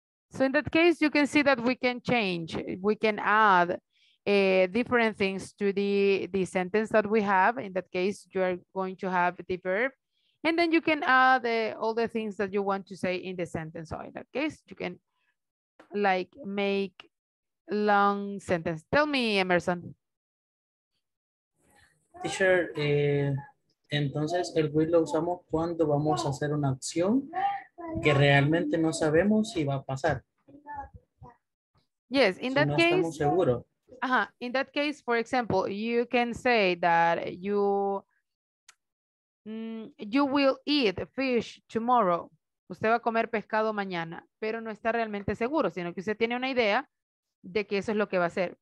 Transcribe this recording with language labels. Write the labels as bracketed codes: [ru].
[en] So in that case, you can see that we can change. We can add different things to the sentence that we have. In that case, you are going to have the verb. And then you can add all the things that you want to say in the sentence. So in that case, you can like make long sentence. Tell me, Emerson. [es] Teacher, entonces, el will lo usamos cuando vamos a hacer una acción que realmente no sabemos si va a pasar. [en] Yes, in that case. [es] Si no estamos seguros. Uh-huh. [en] In that case, for example, you can say that you will eat fish tomorrow. [es] Usted va a comer pescado mañana, pero no está realmente seguro, sino que usted tiene una idea de que eso es lo que va a hacer.